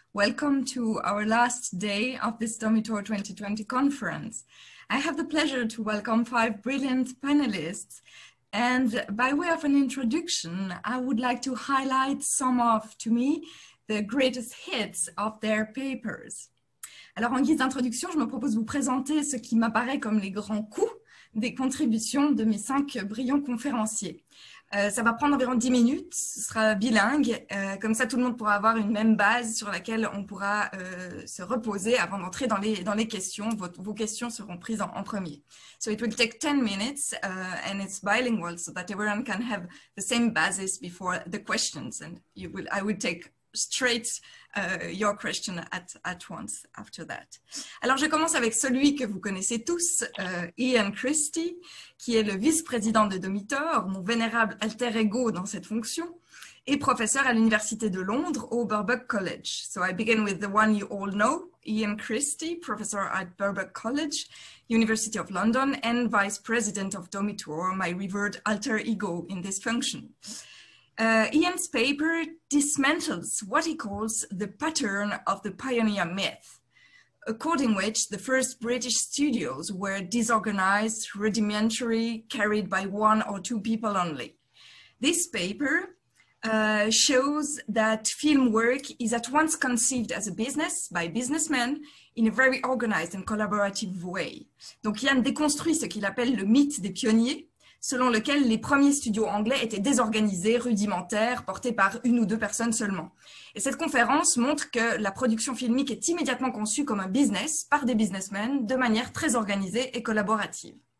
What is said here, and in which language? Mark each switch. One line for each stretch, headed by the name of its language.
English: Welcome to our last day of this Domitor 2020 conference. I have the pleasure to welcome five brilliant panelists. And by way of an introduction, I would like to highlight some of, to me, the greatest hits of their papers.
French: Alors, en guise d'introduction, je me propose de vous présenter ce qui m'apparaît comme les grands coups des contributions de mes cinq brillants conférenciers. Ça va prendre environ 10 minutes, ce sera bilingue, comme ça tout le monde pourra avoir une même base sur laquelle on pourra se reposer avant d'entrer dans les questions. Vos questions seront prises en premier.
English: So it will take 10 minutes and it's bilingual so that everyone can have the same basis before the questions. And I will take straight your question at once after that.
French: Alors, je commence avec celui que vous connaissez tous, Ian Christie, qui est le vice-président de Domitor, mon vénérable alter ego dans cette fonction, et professeur à l'Université de Londres, au Birkbeck College.
English: So I begin with the one you all know, Ian Christie, professor at Birkbeck College, University of London, and vice-president of Domitor, my revered alter ego in this function. Ian's paper dismantles what he calls the pattern of the pioneer myth, according which the first British studios were disorganized, rudimentary, carried by one or two people only. This paper shows that film work is at once conceived as a business by businessmen in a very organized and collaborative way.
French: Donc Ian déconstruit ce qu'il appelle le mythe des pionniers, selon lequel les premiers studios anglais étaient désorganisés, rudimentaires, portés par une ou deux personnes seulement. Et cette conférence montre que la production filmique est immédiatement conçue comme un business par des businessmen de manière très organisée et collaborative.